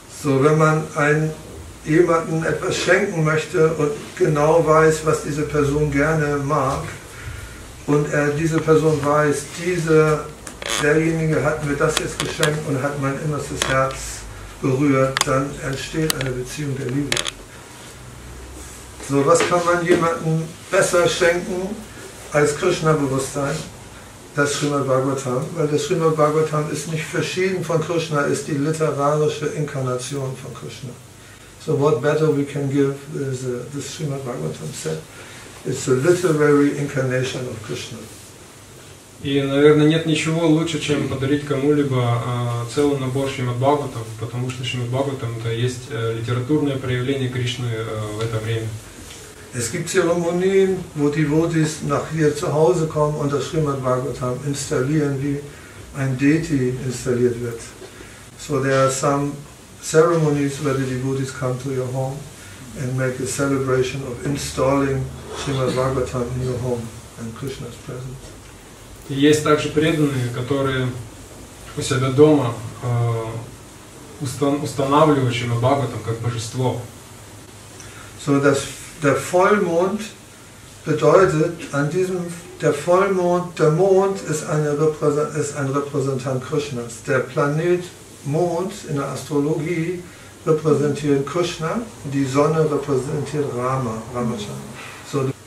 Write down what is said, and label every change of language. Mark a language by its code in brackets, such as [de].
[de] So, wenn man jemanden etwas schenken möchte und genau weiß, was diese Person gerne mag und diese Person weiß, derjenige hat mir das jetzt geschenkt und hat mein innerstes Herz berührt, dann entsteht eine Beziehung der Liebe. So, was kann man jemandem besser schenken als Krishna-Bewusstsein? Das Srimad Bhagavatam, weil das Srimad Bhagavatam ist nicht verschieden von Krishna, ist die literarische Inkarnation von Krishna. [en] So what better we can give is the Srimad Bhagavatam set. It's a literary incarnation of Krishna. [ru] И, наверное, нет ничего лучше, чем подарить кому-либо целый набор Шримад Бхагаватам, потому что Шримад Бхагаватам это есть литературное проявление Кришны в это время. [de] Es gibt Zeremonien, wo die Votis nach hier zu Hause kommen und das Srimad Bhagavatam installieren, wie ein Deity installiert wird. [en] So there are some ceremonies where the devotees come to your home and make a celebration of installing Srimad Bhagavatam in your home and Krishna's presence. [ru] И есть также преданные, которые у себя дома устанавливают Шримад Бхагаватам как божество. [de] So das der Vollmond bedeutet an diesem der Vollmond, der Mond ist eine ist ein Repräsentant Krishnas. Der Planet Mond in der Astrologie repräsentiert Krishna, die Sonne repräsentiert Rama, Ramachandra.